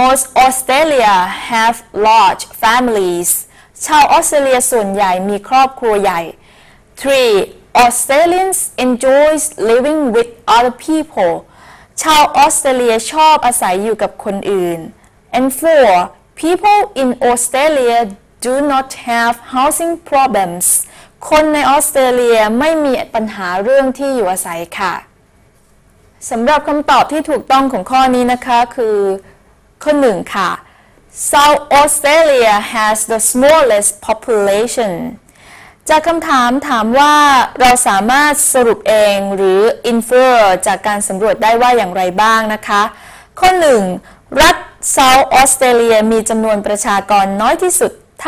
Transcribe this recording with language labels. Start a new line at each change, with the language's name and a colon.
English: Most Australia have large families.
Thai: ชาวออสเตรเลียส่วนใหญ่มีครอบครัวใหญ่ 3.
English: Australians enjoy living with other people.
Thai: ชาวออสเตรเลียชอบอาศัยอยู่กับคนอื่น And 4.
English: People in Australia do not have housing problems.
Thai: คนในออสเตรเลียไม่มีปัญหาเรื่องที่อยู่อาศัยค่ะสำหรับคำตอบที่ถูกต้องของข้อนี้นะคะคือข้อ1ค่ะ
English: South Australia has the smallest population.
Thai: จากคำถามถามว่าเราสามารถสรุปเองหรือ infer จากการสำรวจได้ว่าอย่างไรบ้างนะคะข้อ1รัฐเซาท์ออสเตรเลียมีจำนวนประชากรน้อยที่สุดเท